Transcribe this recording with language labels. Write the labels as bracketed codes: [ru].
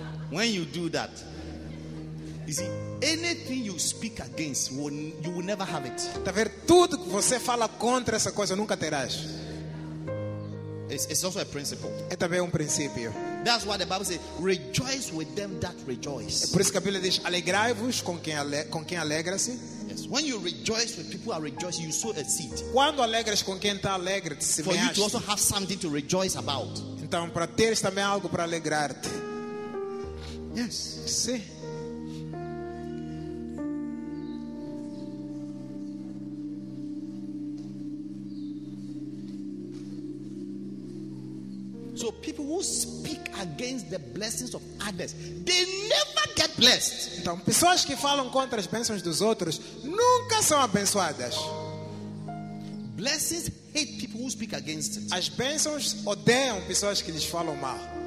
[en] When you do that, you see, anything you speak against, you will never have it. [pt] Tá vendo? Tudo que você fala contra essa coisa nunca terás. [en] It's also a principle. [pt] É também princípio. [en] That's why the Bible says, "Rejoice with them that rejoice." [pt] Por isso que a Bíblia diz, "Alegrai-vos com quem alegra-se." [en] Yes. When you rejoice with people who are rejoicing, you sow a seed. [pt] Quando alegras com quem está alegre, te semeaste. [en] For you to also have something to rejoice about. [pt] Então, para teres também algo para alegrar-te. [en] Yes. [pt] Sim. [en] So people who speak against the blessings of others, they never get blessed. [pt] Então, pessoas que falam contra as bênçãos dos outros nunca são abençoadas. [en] Blessings hate people who speak against it. [pt] As bênçãos odeiam pessoas que lhes falam mal.